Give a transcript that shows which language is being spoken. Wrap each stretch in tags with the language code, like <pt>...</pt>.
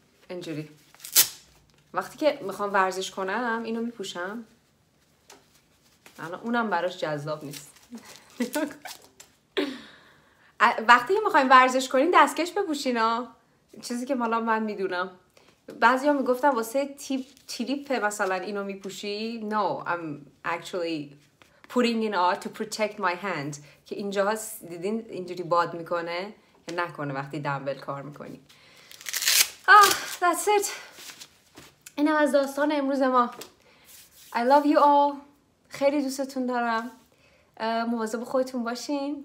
<fa>اینجوری وقتی که میخوام ورزش کنم اینو میپوشم. الان اونم براش جذاب نیست. وقتی میخوایم ورزش کنیم دستکش بپوشینا، چیزی که مالا من میدونم. بعضی ها میگفتن واسه تریپ مثلا اینو میپوشی.</fa> <en>No, I'm actually putting it on to protect my hand.</en> <fa>که اینجا هست دیدین اینجوری باد میکنه که نکنه وقتی دمبل کار میکنی.</fa> <en>That's it.</en> <fa>اینم از داستان امروز ما.</fa> <en>I love you all.</en> <fa>خیلی دوستتون دارم. مواظب خودتون باشین.</fa>